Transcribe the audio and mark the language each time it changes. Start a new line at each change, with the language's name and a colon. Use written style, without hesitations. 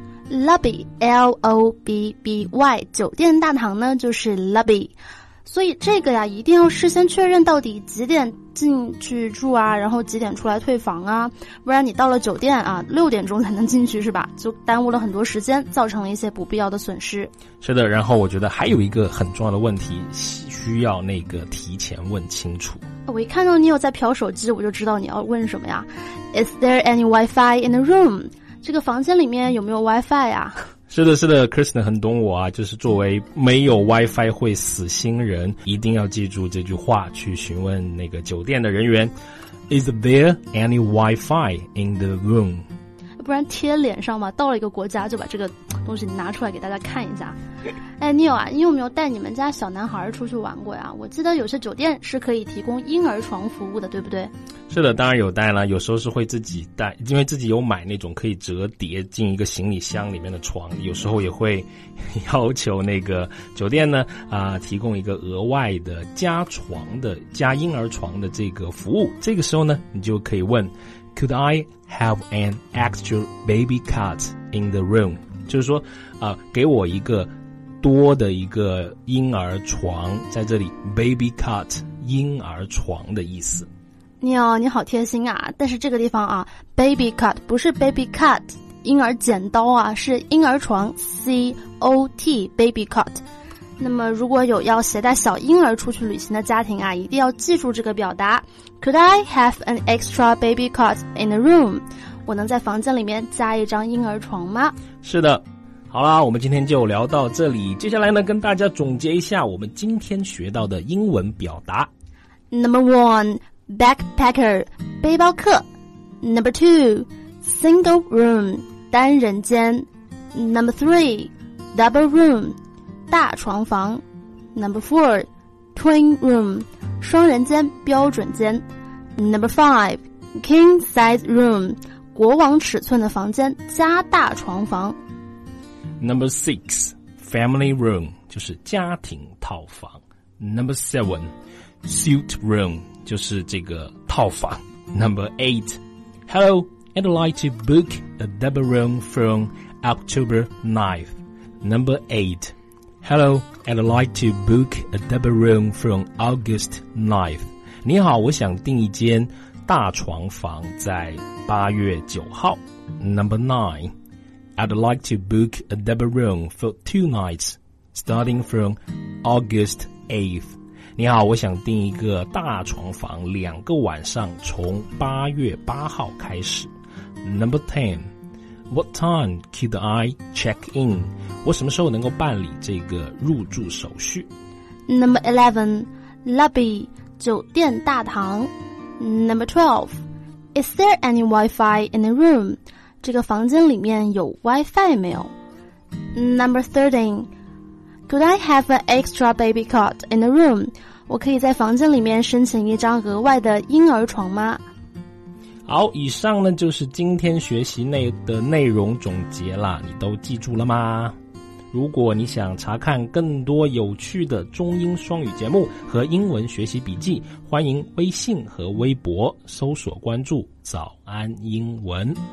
Chinese: Lobby, L-O-B-B-Y, 酒店大堂呢就是 Lobby, 所以这个呀一定要事先确认到底几点进去住啊，然后几点出来退房啊，不然你到了酒店啊6点钟才能进去是吧，就耽误了很多时间，造成了一些不必要的损失。是的，然后我觉得还有一个很重要的问题需要那个提前问清楚。我一看到你有在瞟手机，我就知道你要问什么呀。
English: Is there any Wi-Fi in the room?
Chinese: 这个房间里面有没有 WiFi 啊？是的是的， Kristen 很懂我啊，就是作为没有 WiFi 会死心人，一定要记住这句话去询问那个酒店的人员。
English: Is there any WiFi in the room?
Chinese: 不然贴脸上嘛，到了一个国家就把这个东西拿出来给大家看一下。哎 Neil 啊，你有没有带你们家小男孩出去玩过呀？我记得有些酒店是可以提供婴儿床服务的，对不对？是的，当然有带了，有时候是会自己带，因为自己有买那种可以折叠进一个行李箱里面的床，有时候也会要求那个酒店呢提供一个额外的加床的加婴儿床的这个服务。这个时候呢你就可以问
English: Could I have an extra baby cot in the room?
Chinese: 就是说给我一个多的一个婴儿床在这里， baby cot 婴儿床的意思。 Neil, 你好贴心啊，但是这个地方啊 baby cot 不是 baby cot 婴儿剪刀啊，是婴儿床 COT baby cot。那么如果有要携带小婴儿出去旅行的家庭啊，一定要记住这个表达
English: Could I have an extra baby cot in the room?
Chinese: 我能在房间里面加一张婴儿床吗？是的。好啦，我们今天就聊到这里，接下来呢跟大家总结一下我们今天学到的英文表达。
English: Number one,Backpacker, 背包客。 Number two, single room, 单人间。 Number three, double room, 大床房。 Number four, twin room,
Chinese: 双人间标准间。
English: Number five, king size room,
Chinese: 国王尺寸的房间加大床房。
English: Number six, family room,
Chinese: 就是家庭套房。
English: Number seven, suit room,
Chinese: 就是这个套房。
English: Number 8 Hello, I'd like to book a double room from October 9th. Number 8 Hello, I'd like to book a double room from August 9th.
Chinese: 你好，我想订一间大床房在8月9号。
English: Number 9 I'd like to book a double room for 2 nights starting from August 8th.
Chinese: 你好，我想订一个大床房2个晚上从8月8号开始。
English: Number 10 What time could I check in?
Chinese: 我什么时候能够办理这个入住手续？
English: Number 11 Lobby
Chinese: 酒店大堂。
English: Number 12 Is there any Wi-Fi in the room?
Chinese: 这个房间里面有 Wi-Fi 没有？
English: Number 13Could I have an extra baby cot in the room?
Chinese: 我可以在房间里面申请一张额外的婴儿床吗？好，以上呢就是今天学习的内容总结了，你都记住了吗？如果你想查看更多有趣的中英双语节目和英文学习笔记，欢迎微信和微博搜索关注早安英文。